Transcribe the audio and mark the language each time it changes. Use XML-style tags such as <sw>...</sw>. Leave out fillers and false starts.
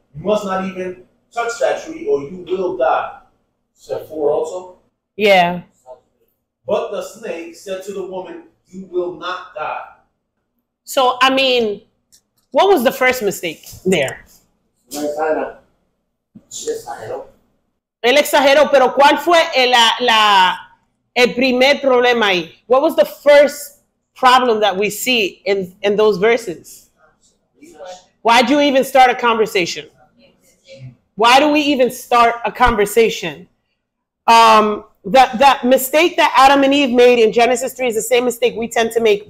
<en>You must not even touch that tree or you will die." Said 4 also? Yeah. But the snake said to the woman, "You will not die." So, I mean, what was the first mistake there?</en> <es>El exagero, pero ¿cuál fue el primer problema ahí?</es> <en>What was the first problem that we see in those verses? Why do you even start a conversation? Why do we even start a conversation? The mistake that Adam and Eve made in Genesis 3 is the same mistake we tend to make.</en>